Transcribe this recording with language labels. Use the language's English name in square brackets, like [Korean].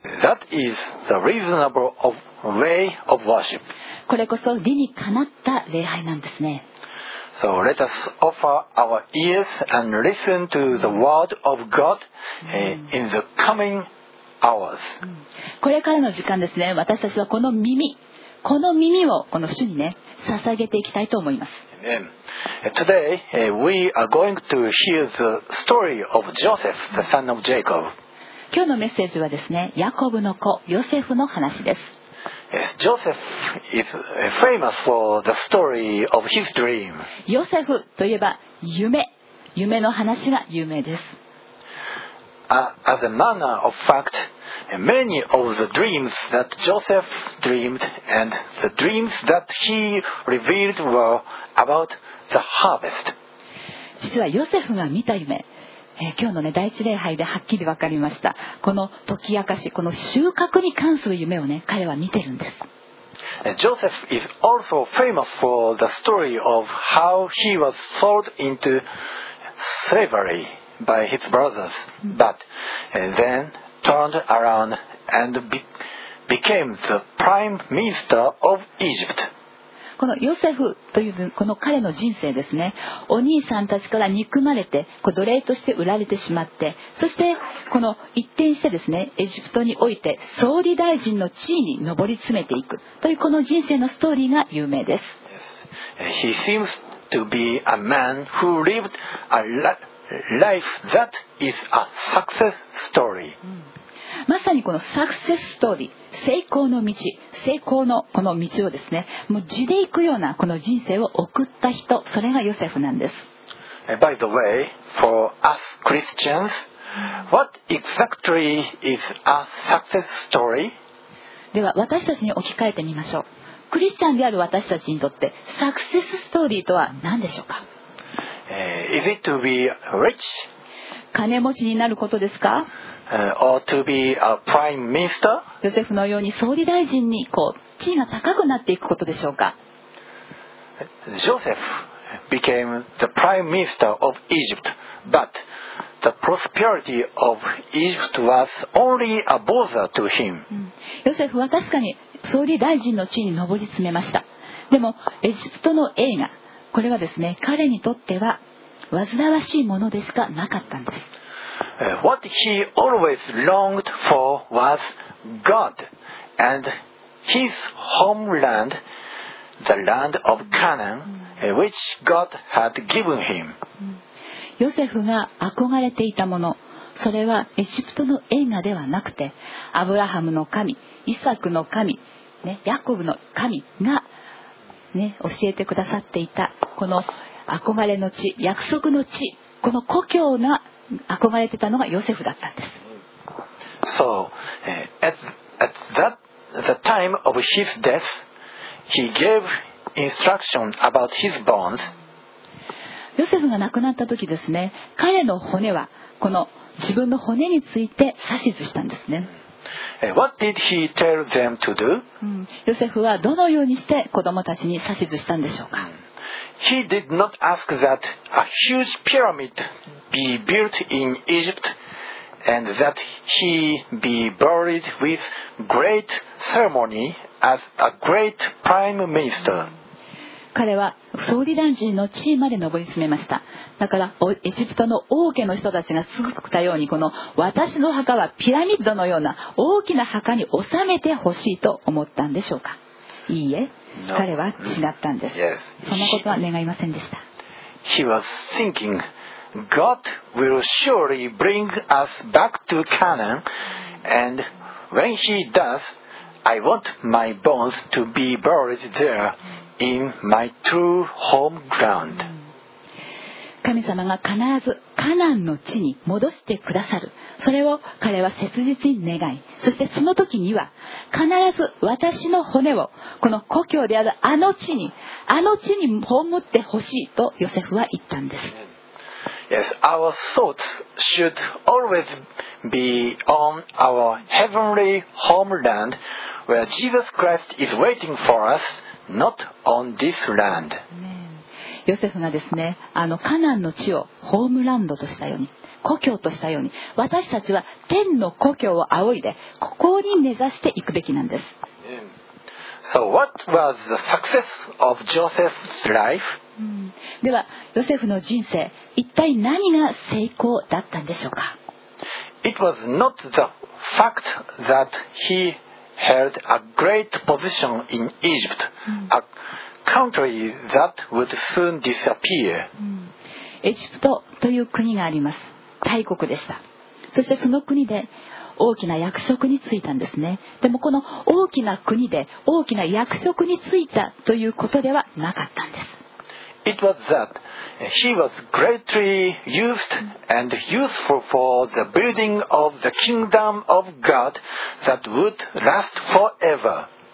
[English] That is the reasonable of way of worship. [Japanese] これこそ理にかなった礼拝なんですね。 [English] So let us offer our ears and listen to the word of God in the coming hours. [Japanese] これからの時間ですね、私たちはこの耳、この耳をこの主にね、捧げていきたいと思います。 [English] Today, we are going to hear the story of Joseph, the son of Jacob. [Japanese] 今日のメッセージはですね、ヤコブの子、ヨセフの話です。 [English] Yes, Joseph is famous for the story of his dream. [Japanese] ヨセフといえば夢、夢の話が有名です。 [English] As a matter of fact, many of the dreams that Joseph dreamed and the dreams that he revealed were about the harvest. [Japanese] 実はヨセフが見た夢、今日の、ね、第一礼拝ではっきり分かりました。この解き明かし、この収穫に関する夢を、ね、彼は見てるんです。 [English] ヨセフ is also famous for the story of how he was sold into slavery by his brothers, but then turned around and became the prime minister of Egypt. [Japanese] このヨセフというこの彼の人生ですね、お兄さんたちから憎まれて、こう奴隷として売られてしまって、そしてこの一転してですね、エジプトにおいて総理大臣の地位に上り詰めていくというこの人生のストーリーが有名です。 [English] He seems to be a man who lived a life that is a success story. [Japanese] まさにこのサクセスストーリー、成功の道、成功のこの道をですね、もう地で行くようなこの人生を送った人、それがヨセフなんです。 [English] By the way, for us Christians, what exactly is a success story? [Japanese] では私たちに置き換えてみましょう。クリスチャンである私たちにとってサクセスストーリーとは何でしょうか？ [English] Is it to be rich? [Japanese] 金持ちになることですか？ [English] Or to be a prime minister? [Japanese] ヨセフのように総理大臣にこう地位が高くなっていくことでしょうか。 [English] Joseph became the prime minister of Egypt, but the prosperity of Egypt was only a bother to him. [Japanese] ヨセフは確かに総理大臣の地位に上り詰めました。でもエジプトの栄華、これはですね、彼にとっては煩わしいものでしかなかったんです。 [English] What he always longed for was God and his homeland, the land of Canaan, which God had given him. [Japanese] ヨセフが憧れていたもの、それはエジプトの栄華ではなくて、アブラハムの神、イサクの神、ね、ヤコブの神が、ね、教えてくださっていたこの憧れの地、約束の地、この故郷が憧れてたのがヨセフだったんです。 [English] So at the time of his death, he gave instruction about his bones. [Japanese] ヨセフが亡くなった時ですね、彼の骨はこの自分の骨について指図したんですね。 [English] What did he tell them to do? [Japanese] ヨセフはどのようにして子供たちに指図したんでしょうか。 [English] He did not ask that a huge pyramid be built in Egypt and that he be buried with great ceremony as a great prime minister. [Japanese] 彼は総理大臣の地位まで上り詰めました。だからエジプトの王家の人たちが作ったように、この私の墓はピラミッドのような大きな墓に納めてほしいと思ったんでしょうか。いいえ、彼は違ったんです。 [English] Yes. [Japanese] そのことは願いませんでした。 [English] He was thinking, God will surely bring us back to Canaan, and when he does, I want my bones to be buried there in my true home ground. [Japanese] 神様が必ずカナンの地に戻してくださる。それを彼は切実に願い、そしてその時には必ず私の骨をこの故郷であるあの地に葬ってほしいとヨセフは言ったんです。 [English] Yes, our thoughts should always be on our heavenly homeland where Jesus Christ is waiting for us, not on this land. [Japanese] ヨセフがですね、カナンの地をホームランドとしたように、故郷としたように、私たちは天の故郷を仰いで、ここに根ざしていくべきなんです。 [English] So what was the success of Joseph's life? [Japanese] ではヨセフの人生、一体何が成功だったんでしょうか。 [English] It was not the fact that he held a great position in Egypt, a country that would soon disappear. [Japanese] エジプトという国があります。大国でした。そしてその国で大きな役職に就いたんですね。でもこの大きな国で大きな役職に就いたということではなかったんです。 [English] It was that he was greatly used and useful for the building of the kingdom of God that would last forever.